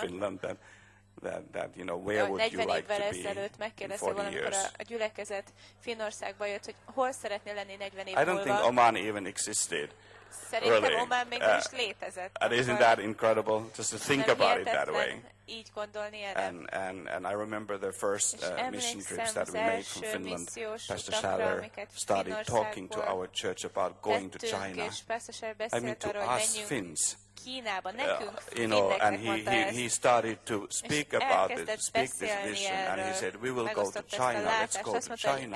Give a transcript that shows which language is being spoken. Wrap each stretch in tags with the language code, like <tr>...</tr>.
<en>to Finland, that you know, where would you like to be in 40 years?</en> <hu>A gyülekezet Finnországba jött, hogy hol szeretnél lenni 40 év múlva?</hu> <en>I don't think Oman even existed.</en> <hu>Szerintem</hu> <en>really.</en> <hu>Oman még nem is létezett.</hu> <en>And isn't that incredible? Just to think about it that way.</en> <hu>Így gondolni erre.</hu> <en>And I remember the first mission trips that we made from Finland. Pastor Schaller started talking to our church about going to China. I mean, to us Finns. You know, and he started to speak about it, speak this mission, and he said, we will go to China, let's go to China,</en>